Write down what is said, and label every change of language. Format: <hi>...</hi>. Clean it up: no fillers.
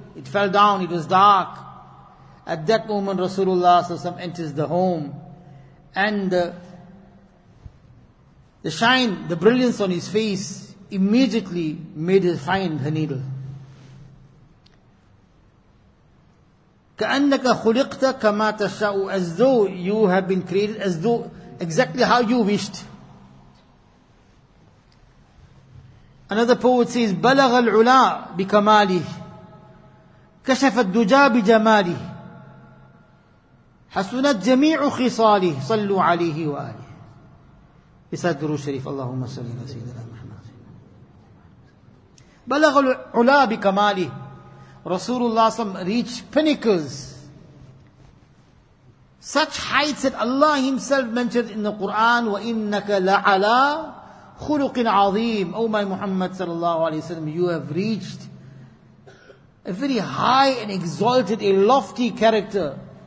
<en>It fell down, it was dark. At that moment, Rasulullah sallallahu enters the home, and the shine, the brilliance on his face immediately made her find her needle.</en> <ar>كَأَنَّكَ خُلِقْتَ كَمَا تَشَاءُ,</ar> <en>as though you have been created, as though exactly how you wished. Another poet says,</en> <ar>بَلَغَ الْعُلَىٰ بِكَمَالِهِ كَشَفَ الدُّجَىٰ بِجَمَالِهِ حَسُنَتْ جَمِيعُ خِصَالِهِ صَلُّوا عَلِيهِ وَآلِهِ. He said, درو شريف, اللهم صلی اللہ سيدنا محمد. بَلَغَ الْعُلَىٰ بِكَمَالِهِ.</ar> <en>Rasulullah reached pinnacles Such heights that Allah Himself mentioned in the Quran,</en> <ar>وَإِنَّكَ لَعَلَىٰ خُلُقٍ عَظِيمٍ.</ar> <en>Oh my Muhammad sallallahu alayhi wa sallam, you have reached a very high and exalted, a lofty character.</en>